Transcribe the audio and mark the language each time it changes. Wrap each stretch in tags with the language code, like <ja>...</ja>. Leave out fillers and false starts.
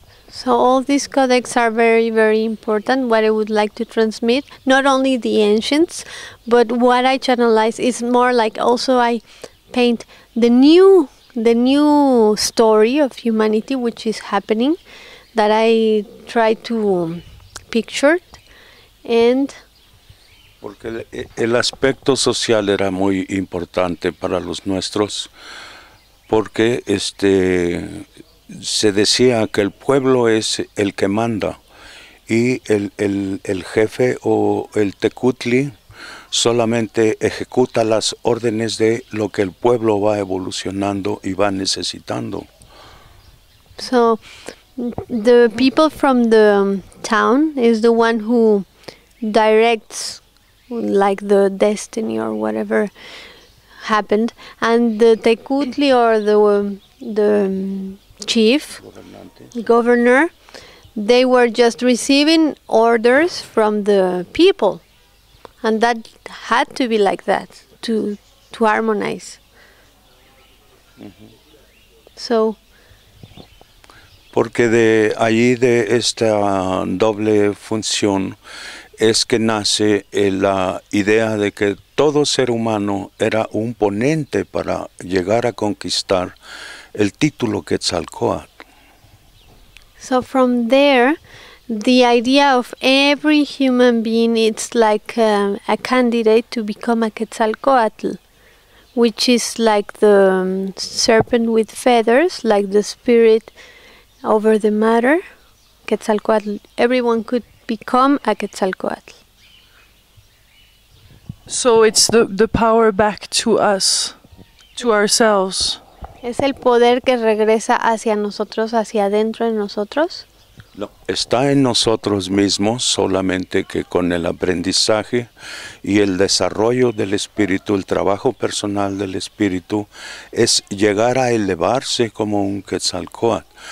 <en>So all these codecs are very, very important, what I would like to transmit, not only the ancients, but what I channelize is more like also I paint the new story of humanity, which is happening, that I try to picture, and...</en> <es>Porque el aspecto social era muy importante para los nuestros, porque se decía que el pueblo es el que manda y el jefe o el tecutli solamente ejecuta las órdenes de lo que el pueblo va evolucionando y va necesitando.</es> <en>So the people from the town is the one who directs like the destiny or whatever happened, and the tecutli or the chief, governor, they were just receiving orders from the people, and that had to be like that to harmonize. So,</en> <es>porque de allí de esta doble función es que nace la idea de que todo ser humano era un ponente para llegar a conquistar el título Quetzalcóatl.</es> <en>So from there, the idea of every human being, it's like a candidate to become a Quetzalcóatl, which is like the serpent with feathers, like the spirit over the matter. Quetzalcóatl, everyone could become a Quetzalcóatl. So it's the power back to us, to ourselves.</en> <es>¿Es el poder que regresa hacia nosotros, hacia adentro de nosotros? No, está en nosotros mismos, solamente que con el aprendizaje y el desarrollo del espíritu, el trabajo personal del espíritu, es llegar a elevarse como un Quetzalcóatl.</es>